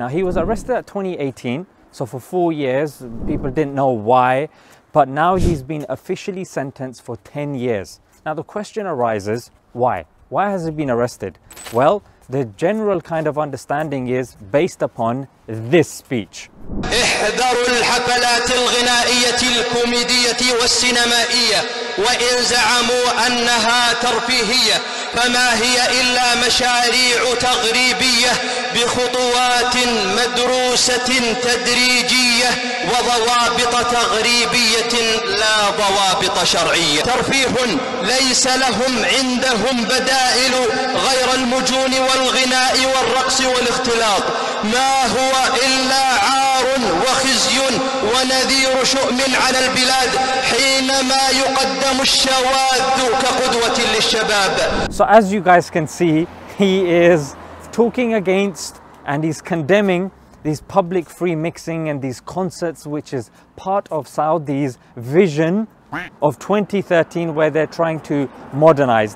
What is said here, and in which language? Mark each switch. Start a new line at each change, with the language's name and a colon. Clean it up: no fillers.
English: Now, he was arrested in 2018, so for 4 years, people didn't know why, but now he's been officially sentenced for 10 years. Now, the question arises, why? Why has he been arrested? Well, the general kind of understanding is based upon this speech.
Arabic: احذروا الحفلات الغنائية الكوميدية والسينمائية وإن زعموا أنها ترفيهية فما هي إلا مشاريع تغريبية بخطوات مدروسة تدريجية وضوابط تغريبية لا ضوابط شرعية ترفيه ليس لهم عندهم بدائل غير المجون والغناء والرقص والاختلاط ما هو إلا عار وخزي ونذير شؤم على البلاد حينما يقدم الشواذ كقدوة للشباب.
English: So as you guys can see, he is talking against and he's condemning these public free mixing and these concerts, which is part of Saudi's vision of 2013, where they're trying to modernize.